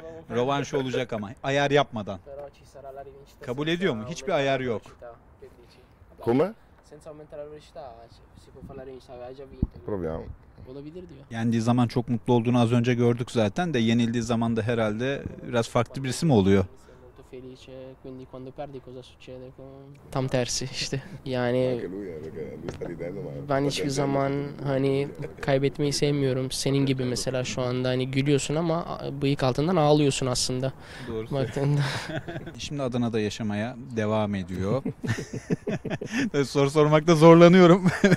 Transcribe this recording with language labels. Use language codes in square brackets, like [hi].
[tr] Rovanş olacak ama ayar yapmadan. Kabul ediyor mu? Hiçbir ayar yok. [it] Come? Senza aumentare la velocità si può fare rincha, hai già vinto. Proviamo. [tr] Olabilir diyor. Yendiği zaman çok mutlu olduğunu az önce gördük zaten de yenildiği zaman da herhalde biraz farklı birisi mi oluyor? [it] Felice, quindi quando perdi cosa succede? [tr] Tam tersi işte. Yani ben hiçbir zaman hani kaybetmeyi sevmiyorum. Senin gibi mesela şu anda hani gülüyorsun ama bıyık altından ağlıyorsun aslında. Doğru. Baktığında. Şimdi Adana'da yaşamaya devam ediyor. Soru sormakta zorlanıyorum.